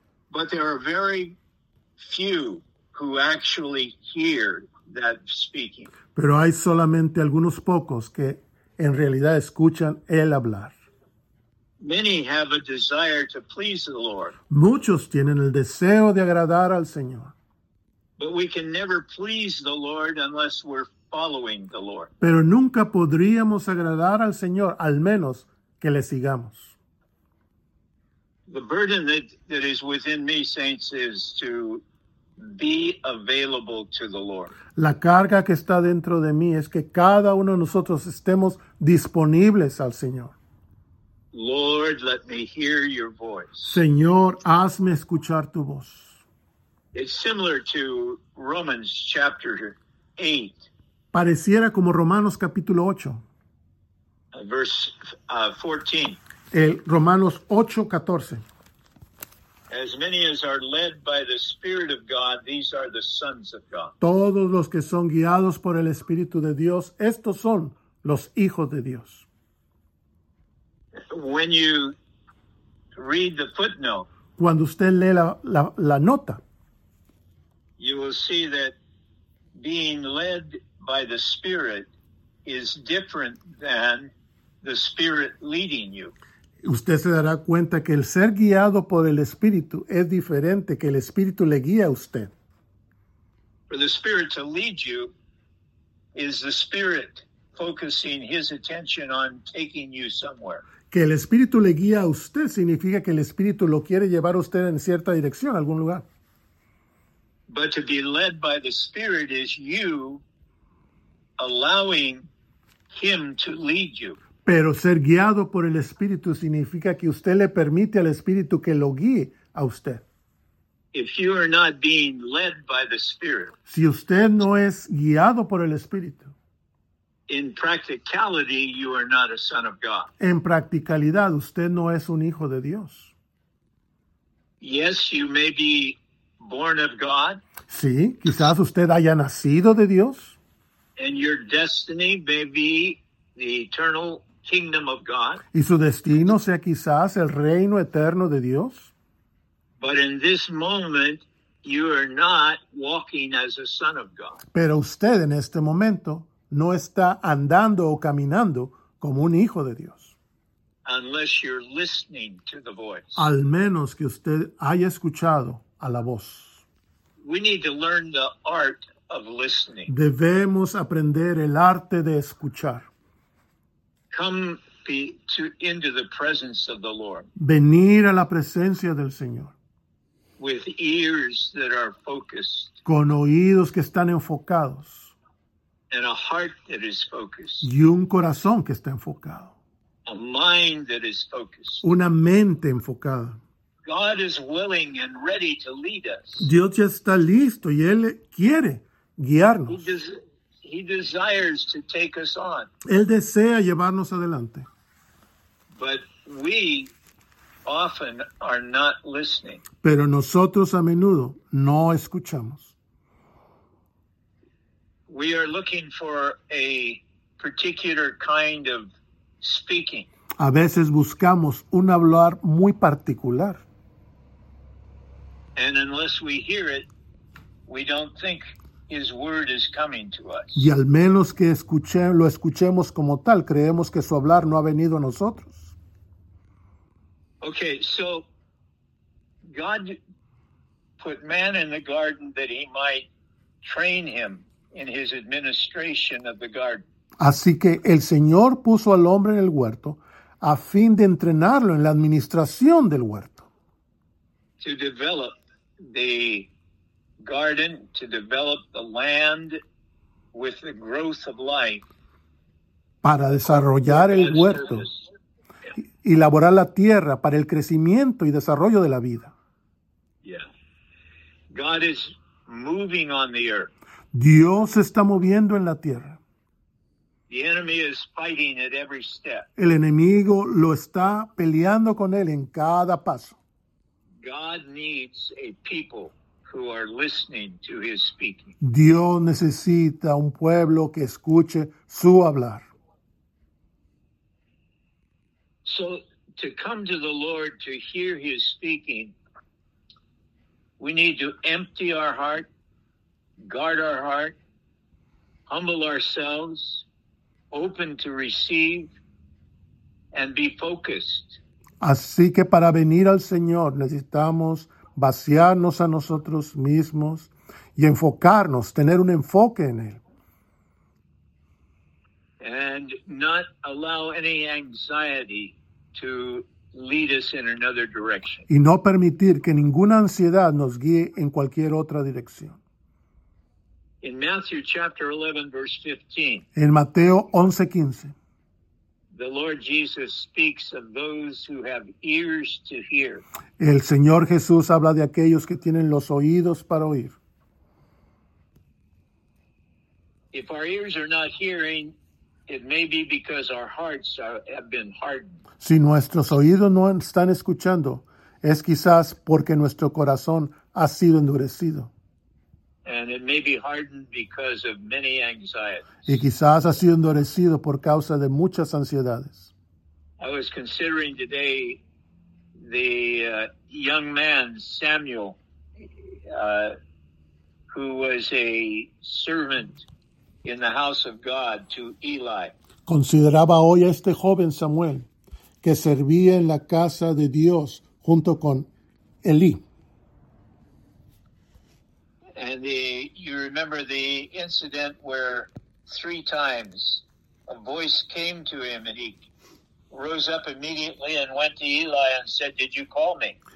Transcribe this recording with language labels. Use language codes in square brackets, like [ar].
[en] But there are very few who actually hear that speaking. [es] Pero hay solamente algunos pocos que en realidad escuchan él hablar. [en] Many have a desire to please the Lord. [es] Muchos tienen el deseo de agradar al Señor. [en] But we can never please the Lord unless we're following the Lord. [es] Pero nunca podríamos agradar al Señor, al menos que le sigamos. [en] The burden that is within me, saints, is to be available to the Lord. [es] La carga que está dentro de mí es que cada uno de nosotros estemos disponibles al Señor. [en] Lord, let me hear your voice. [es] Señor, hazme escuchar tu voz. [en] It's similar to Romans chapter 8. [es] Pareciera como Romanos capítulo 8. [en] Verse 14. [es] El Romanos 8:14. [en] As many as are led by the Spirit of God, these are the sons of God. [es] Todos los que son guiados por el Espíritu de Dios, estos son los hijos de Dios. [en] When you read the footnote, [es] cuando usted lee la nota, [en] you will see that being led by the Spirit is different than the Spirit leading you. [es] Usted se dará cuenta que el ser guiado por el Espíritu es diferente que el Espíritu le guía a usted. [en] For the Spirit to lead you is the Spirit focusing his attention on taking you somewhere. [es] Que el Espíritu le guía a usted significa que el Espíritu lo quiere llevar a usted en cierta dirección, algún lugar. [en] But to be led by the Spirit is you allowing him to lead you. [es] Pero ser guiado por el Espíritu significa que usted le permite al Espíritu que lo guíe a usted. [en] If you are not being led by the Spirit, [es] si usted no es guiado por el Espíritu, [en] in practicality, you are not a son of God. [es] En practicalidad, usted no es un hijo de Dios. [en] Yes, you may be born of God. [es] Sí, quizás usted haya nacido de Dios. [en] And your destiny may be the eternal kingdom of God. [es] Y su destino sea quizás el reino eterno de Dios. [en] But in this moment, You are not walking as a son of God. [es] Pero usted en este momento no está andando o caminando como un hijo de Dios. [en] Unless you're listening to the voice. [es] Al menos que usted haya escuchado a la voz. [en] We need to learn the art of listening. [es] Debemos aprender el arte de escuchar. [en] Into the presence of the Lord. [es] Venir a la presencia del Señor. [en] With ears that are focused. [es] Con oídos que están enfocados. [en] And a heart that is focused. [es] Y un corazón que está enfocado. [en] A mind that is focused. [es] Una mente enfocada. [en] God is willing and ready to lead us. [es] Dios ya está listo y Él quiere guiarnos. [en] He desires to take us on. [es] Él desea llevarnos adelante. [en] But we often are not listening. [es] Pero nosotros a menudo no escuchamos. [en] We are looking for a particular kind of speaking. [es] A veces buscamos un hablar muy particular. [en] And unless we hear it, we don't think His word is coming to us. [es] Y al menos que lo escuchemos como tal, creemos que su hablar no ha venido a nosotros. [en] Okay, so God put man in the garden that he might train him in his administration of the garden. [es] Así que el Señor puso al hombre en el huerto a fin de entrenarlo en la administración del huerto. [en] To develop the garden, to develop the land with the growth of life. [es] Para desarrollar el huerto. Y elaborar la tierra para el crecimiento y desarrollo de la vida. [en] Yeah. God is moving on the earth. [es] Dios se está moviendo en la tierra. [en] The enemy is fighting at every step. [es] El enemigo lo está peleando con él en cada paso. [en] God needs a people who are listening to his speaking. [es] Dios necesita un pueblo que escuche su hablar. [en] So to come to the Lord to hear his speaking, we need to empty our heart, guard our heart, humble ourselves, open to receive, and be focused. [es] Así que para venir al Señor necesitamos vaciarnos a nosotros mismos y enfocarnos, tener un enfoque en él. [en] And not allow any anxiety to lead us in another direction. [es] Y no permitir que ninguna ansiedad nos guíe en cualquier otra dirección. [en] In Matthew chapter 11, verse 15. [es] En Mateo 11:15. [en] The Lord Jesus speaks of those who have ears to hear. [es] El Señor Jesús habla de aquellos que tienen los oídos para oír. [en] If our ears are not hearing, it may be because our hearts have been hardened. [es] Si nuestros oídos no están escuchando, es quizás porque nuestro corazón ha sido endurecido. [en] And it may be hardened because of many anxieties. [es] Y quizás ha sido endurecido por causa de muchas ansiedades. [en] I was considering today the young man, Samuel, who was a servant in the house of God to Eli. [es] Consideraba hoy a este joven Samuel que servía en la casa de Dios junto con Eli. [en] And you remember the incident where three times a voice came to him and he rose up immediately and went to Eli and said, "Did you call me?"